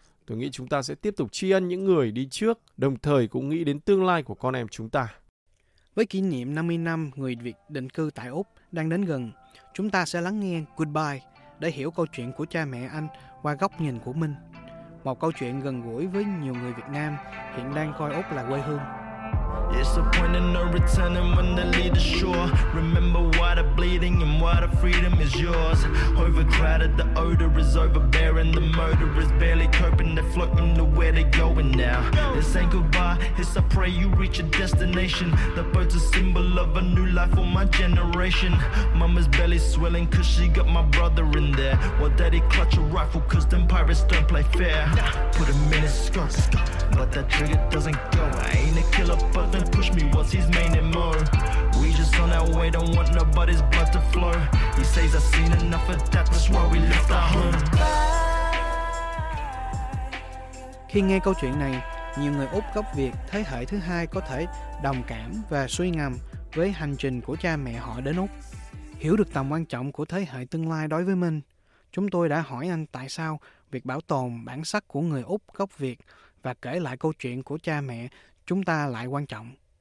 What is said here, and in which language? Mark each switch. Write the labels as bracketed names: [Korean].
[Vietnamese] Tôi nghĩ chúng ta sẽ tiếp tục tri ân những người đi trước, đồng thời cũng nghĩ đến tương lai của con em chúng ta. Với kỷ niệm 50 năm người Việt định cư tại Úc đang đến gần, chúng ta sẽ lắng nghe Goodbye để hiểu câu chuyện của cha mẹ anh qua góc nhìn của Minh. Một câu chuyện gần gũi với nhiều người Việt Nam hiện đang coi Úc là quê hương. [English] It's a point of no returning when they lead the shore. Remember why the bleeding and why the freedom is yours. Overcrowded, the odor is overbearing. The motor is barely coping, the floating to where they're going now. This ain't goodbye, it's a prayer you reach a destination. The boat's a symbol of a new life for my generation. Mama's belly swelling cause she got my brother in there. Well, daddy clutch a rifle cause them pirates don't play fair. Put him in his skirt, but that trigger doesn't go. I ain't a killer, but then push me, what's his main MO? We just on our way, don't want nobody's blood to flow. He says I've seen enough of that, that's why we left our home. [Vietnamese] Khi nghe câu chuyện này, nhiều người Úc gốc Việt thế hệ thứ hai có thể đồng cảm và suy ngầm với hành trình của cha mẹ họ đến Úc. Hiểu được tầm quan trọng của thế hệ tương lai đối với mình, chúng tôi đã hỏi anh tại sao việc bảo tồn bản sắc của người Úc gốc Việt và kể lại câu chuyện của cha mẹ chúng ta lại quan trọng.